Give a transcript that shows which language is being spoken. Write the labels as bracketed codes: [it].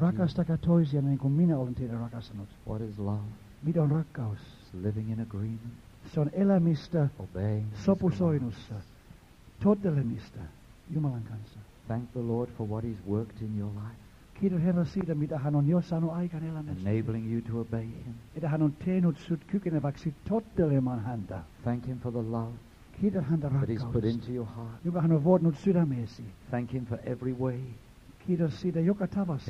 [fi] Rakastakaa toisia niin kuin minä olen teidän rakastanut. [en] What is love? [fi] Mitä on rakkaus? [en] It's living in agreement. [fi] Se on elämistä sopusoinnussa, tottelemista Jumalan kanssa. [en] Thank the Lord for what he's worked in your life. [fi] Kiitos Herra siitä, mitä hän on jo saanut aikaan elämässä. [en] Enabling you to obey him. [fi] Että hän on tehnyt sinut kykeneväksi tottelemaan häntä. [en] Thank him for the love. [fi] Kiitos häntä rakkaudesta. [en] That he's put into your heart. [fi] Joka hän on vuodnut sydämeesi. [en] Thank him for every way. [fi] Kiitos siitä joka tavasta.